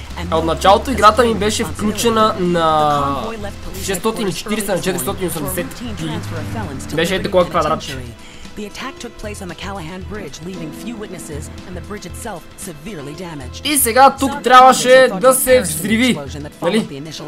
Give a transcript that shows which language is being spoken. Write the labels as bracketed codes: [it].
[bg] А от началото играта ми беше включена на 640x480p. Беше ето кой квадратче. [en] The attack took place on the Callahan Bridge, leaving few witnesses and the bridge itself severely damaged. [bg] И сега тук трябваше да се взриви, нали?